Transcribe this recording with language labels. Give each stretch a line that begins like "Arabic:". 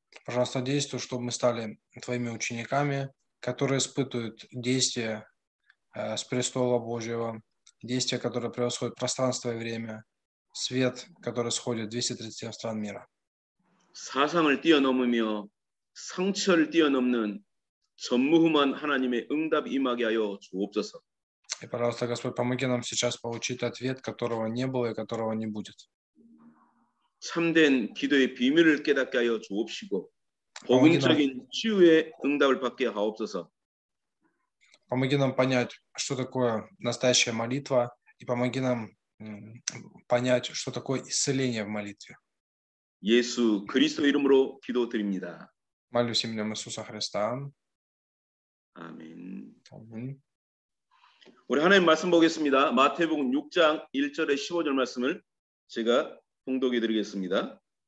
Russian: Пожалуйста, действуй, чтобы мы стали твоими учениками, которые испытывают действия с престола Божьего, действия, которые превосходят пространство и время, свет, который сходит 237 стран мира.
Korean: 사상을 뛰어넘으며 상처를 뛰어넘는 전무후만 하나님의 응답 임하게 하여 주옵소서.
Russian: И, пожалуйста, Господь, помоги нам сейчас получить ответ, которого не было и которого не будет.
Korean: 참된 기도의 비밀을 깨닫게 하여 주옵시고, 복음적인 치유의 응답을 받게 하옵소서.
Russian: Помоги нам понять, что такое настоящая молитва, и помоги нам понять, что такое исцеление в молитве.
Korean: 예수 그리스도 이름으로 기도드립니다. 말씀 이름 예수 그리스도. 아멘. 아멘. 우리 하나님 말씀 보겠습니다. 마태복음 6장 1절에 15절 말씀을 제가 봉독해 드리겠습니다.